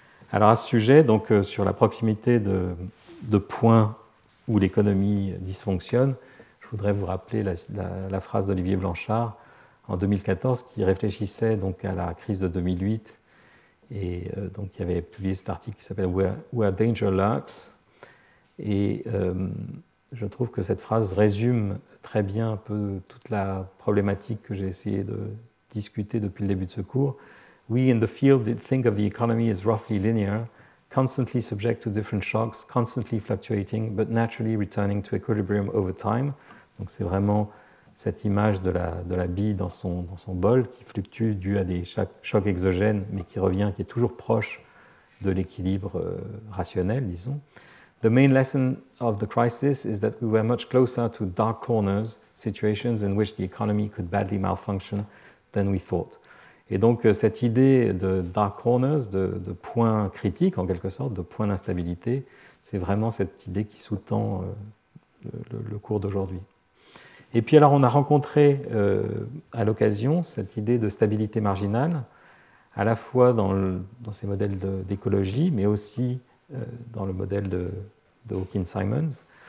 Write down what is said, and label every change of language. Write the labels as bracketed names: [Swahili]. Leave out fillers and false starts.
[French] Alors à ce sujet, donc, sur la proximité de points où l'économie dysfonctionne, je voudrais vous rappeler la phrase d'Olivier Blanchard en 2014 qui réfléchissait donc à la crise de 2008 et donc il avait publié cet article qui s'appelle Where Danger Lurks. Et je trouve que cette phrase résume très bien un peu toute la problématique que j'ai essayé de discuter depuis le début de ce cours. [English] We in the field think of the economy as roughly linear, constantly subject to different shocks, constantly fluctuating, but naturally returning to equilibrium over time. [French] Donc c'est vraiment cette image de la bille dans son bol qui fluctue dû à des chocs exogènes, mais qui revient, qui est toujours proche de l'équilibre rationnel, disons. [English] The main lesson of the crisis is that we were much closer to dark corners, situations in which the economy could badly malfunction than we thought. [French] Et donc cette idée de dark corners, de points critiques en quelque sorte, de points d'instabilité, c'est vraiment cette idée qui sous-tend le cours d'aujourd'hui. Et puis alors on a rencontré à l'occasion cette idée de stabilité marginale, à la fois dans ces modèles d'écologie, mais aussi dans le modèle de Hawking-Simons.